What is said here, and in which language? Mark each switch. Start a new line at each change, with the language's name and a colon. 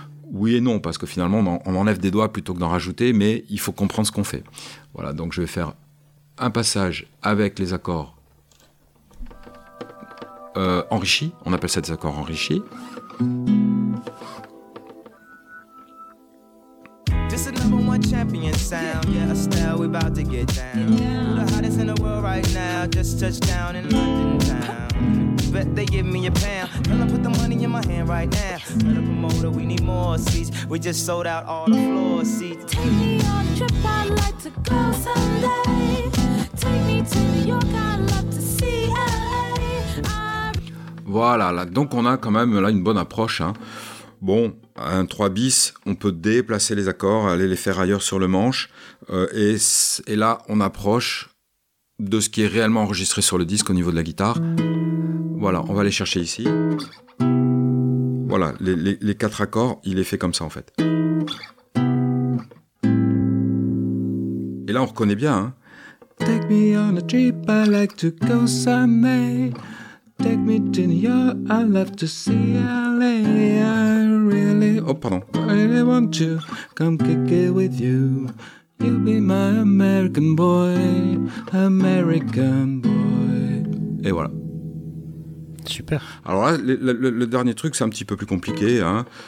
French: Oui et non, parce que finalement, on enlève des doigts plutôt que d'en rajouter, mais il faut comprendre ce qu'on fait. Voilà, donc je vais faire un passage avec les accords enrichis. On appelle ça des accords enrichis.
English: This is number one champion sound. Yeah, Estelle, we about to get down. The hottest in the world right now. Just touched down in London town. Bet they give me a pound. Tell them put the money in my hand right now. Tell the promoter we need more seats. We just sold out all the floor seats. Take me on a trip, I'd like to go someday. Take me to New York, I'd love to see LA.
French: Voilà, là, donc on a quand même là une bonne approche. Hein. Bon, un 3 bis, on peut déplacer les accords, aller les faire ailleurs sur le manche. Et là, on approche de ce qui est réellement enregistré sur le disque au niveau de la guitare. Voilà, on va aller chercher ici. Voilà, les quatre accords, il est fait comme ça en fait. Et là, on reconnaît bien. Hein.
English: Take me on a trip, I like to go someday. take me to New York. I love to see LA. I really want to come kick it with you. You'll be my American boy, American boy.
French: Et voilà. Super. Alors là, le dernier truc, c'est un petit peu plus compliqué, hein.